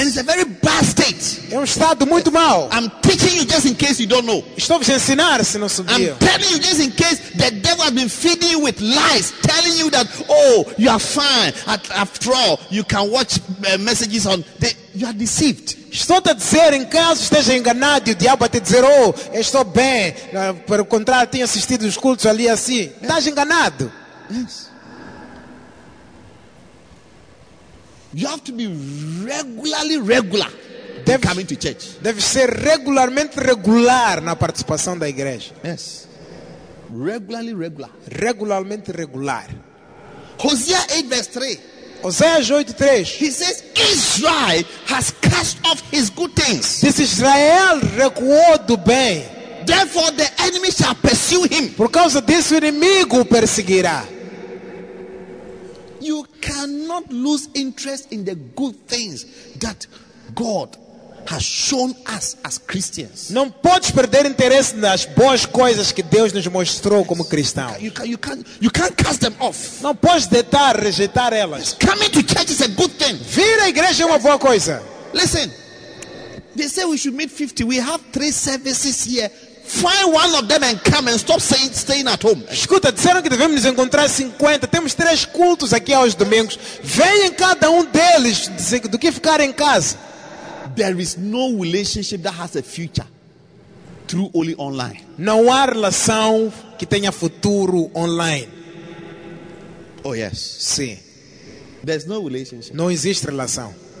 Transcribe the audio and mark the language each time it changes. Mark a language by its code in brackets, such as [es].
[en] And it's a very bad state. [pt] É estado muito mau. [en] I'm teaching you just in case you don't know. [pt] Estou a ensinar se não sabia. [en] I'm telling you just in case the devil has been feeding you with lies, telling you that, oh, you are fine. After all, you can watch messages on the, you are deceived. [pt] Estou a dizer, em caso esteja enganado, o diabo vai te dizer, oh, eu estou bem. Pelo contrário, tenho assistido os cultos ali assim. Estás enganado. [en] Yes. You have to be regular [pt] deve, [en] coming to church. [pt] Deve ser regular na participação da igreja. [en] Yes. Regular. Regular. Hosea 8 verse 3. Hosea 8, 3. He says, Israel has cast off his good things. [pt] This Israel recuou do bem. [en] Therefore the enemy shall pursue him. [pt] Por causa disso, o inimigo o perseguirá. [en] You cannot lose interest in the good things that God has shown us as Christians. [pt] Não podes perder interesse nas boas coisas que Deus nos mostrou como cristãos. [en] You can't cast them off. [pt] Não podes deitar, rejeitar elas. [en] Yes. Coming to church is a good thing. [pt] Vir à igreja é uma boa coisa. [en] Listen, they say we should meet 50. We have 3 services here. Find one of them and come and stop staying at home. [pt] Escuta, disseram que devemos encontrar 50. Temos 3 cultos aqui aos domingos. Venha em cada deles do que ficar em casa. [en] There is no relationship that has a future through only online. [pt] Não há relação que tenha futuro online. [en] Oh yes. [pt] Sim. [en] There's no relationship. [pt] Não existe relação.